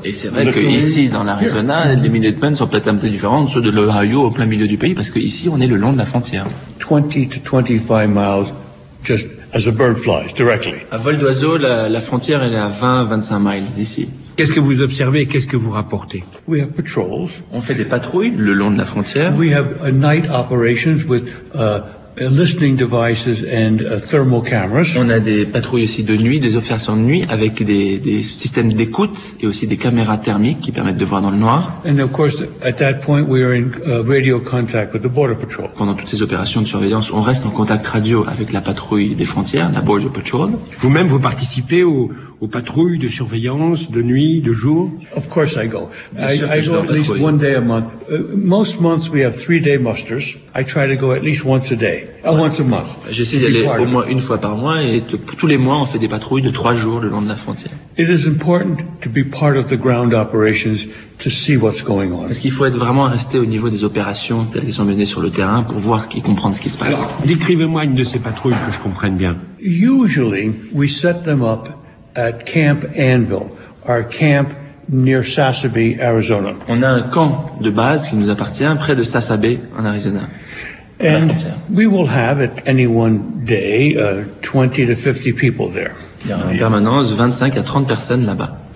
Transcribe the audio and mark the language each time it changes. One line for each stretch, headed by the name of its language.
French: Et c'est vrai que ici, dans l'Arizona, les Minutemen sont peut-être un peu différents de ceux de l'Ohio au plein milieu du pays parce que ici, on est le long de la frontière.
English: 20 to 25 miles just as a bird flies directly.
French: À vol d'oiseau, la frontière elle est à 20-25 miles d'ici. Qu'est-ce que vous observez et qu'est-ce que vous rapportez?
English: We have patrols.
French: On fait des patrouilles le long de la frontière.
English: We have night operations with listening devices and thermal cameras.
French: On a des patrouilles aussi de nuit, des opérations de nuit avec des systèmes d'écoute et aussi des caméras thermiques qui permettent de voir dans le noir.
English: And of course, at that point, we are in radio contact with the border patrol.
French: Pendant toutes ces opérations de surveillance, on reste en contact radio avec la patrouille des frontières, la border patrol. Vous-même, vous participez aux patrouilles de surveillance de nuit, de jour?
English: Of course I go. I go at least one day a month. Most months we have 3-day musters. I try to go at least once a day. Once a month.
French: J'essaie d'aller au moins une fois par mois et tous les mois on fait des patrouilles de 3 jours le long de la frontière.
English: It is important to be part of the ground operations to see what's going on.
French: Parce qu'il faut être vraiment resté au niveau des opérations telles qu'elles sont menées sur le terrain pour voir et comprendre ce qui se passe. Alors, décrivez-moi une de ces patrouilles que je comprenne bien.
English: Usually we set them up at Camp Anvil, our camp near Sasebe, Arizona.
French: On a un camp de base qui nous appartient près de Sasebe en Arizona.
English: And we will have at any one day 20 to 50 people there.
French: Il y aura en permanence 25 à 30 personnes là-bas.